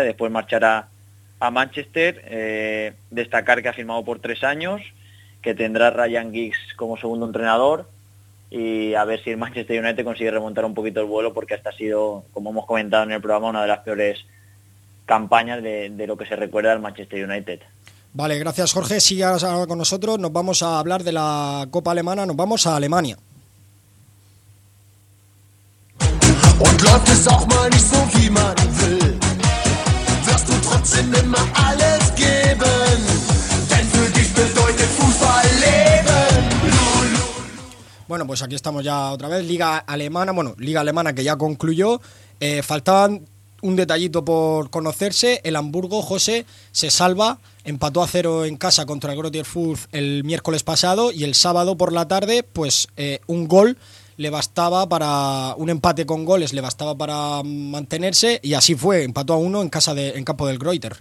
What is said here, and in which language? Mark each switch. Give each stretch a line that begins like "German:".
Spanish: Después marchará a Manchester. Destacar que ha firmado por 3 años, que tendrá Ryan Giggs como segundo entrenador, y a ver si el Manchester United consigue remontar un poquito el vuelo, porque hasta ha sido, como hemos comentado en el programa, una de las peores campañas de lo que se recuerda al Manchester United. Vale, gracias, Jorge. Sigue ahora con nosotros. Nos vamos a hablar de la Copa Alemana. Nos vamos a Alemania.
German: Und läuft es auch mal nicht so, wie man will, wirst du trotzdem immer alles geben, denn für dich bedeutet Fußball Leben.
Spanish: Bueno, pues aquí estamos ya otra vez. Liga Alemana, bueno, Liga Alemana que ya concluyó. Faltaban un detallito por conocerse. El Hamburgo, José, se salva. Empató a 0 en casa contra el Grotter Furt el miércoles pasado, y el sábado por la tarde, pues un gol le bastaba para, un empate con goles le bastaba para mantenerse, y así fue, empató a 1 en campo del Grotter.